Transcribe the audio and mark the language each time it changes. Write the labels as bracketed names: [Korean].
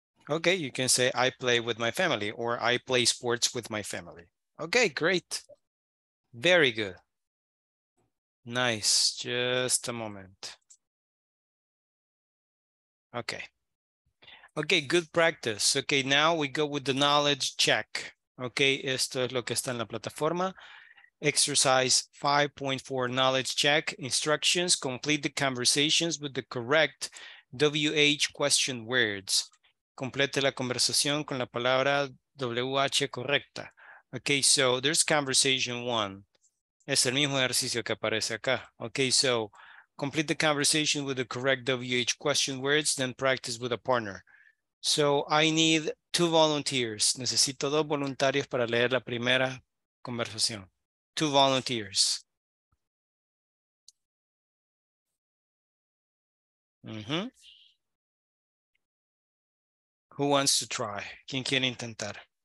[English] Okay, you can say I play with my family or I play sports with my family. Okay, great. Very good. Nice. Just a moment. Okay. Okay, good practice. Okay, now we go with the knowledge check. [Spanish] Okay, esto es lo que está en la plataforma. [English] Exercise 5.4 knowledge check instructions. Complete the conversations with the correct WH question words. [Spanish] Complete la conversación con la palabra WH correcta. [English] Okay, so there's conversation one. [Spanish] Es el mismo ejercicio que aparece acá. [English] Okay, so complete the conversation with the correct WH question words, then practice with a partner. So I need two volunteers. [Spanish] Necesito dos voluntarios para leer la primera conversación. [English] Two volunteers. Mm-hmm. Who wants to try? [Spanish] ¿Quién quiere intentar?